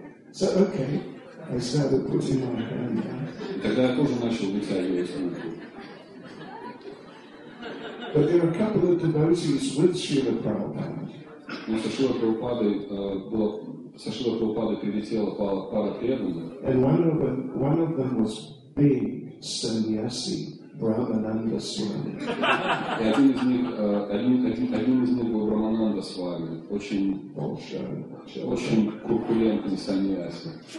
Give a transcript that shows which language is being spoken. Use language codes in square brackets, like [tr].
[en] So okay, I started putting my hand out. [ru] Тогда я тоже начал вытягивать руку. [en] But there are a couple of devotees with Srila Prabhupada. And one of them was big sannyasi, Brahmananda Swami. [ru] Brahmananda Swami, очень корпулентный сannyasi.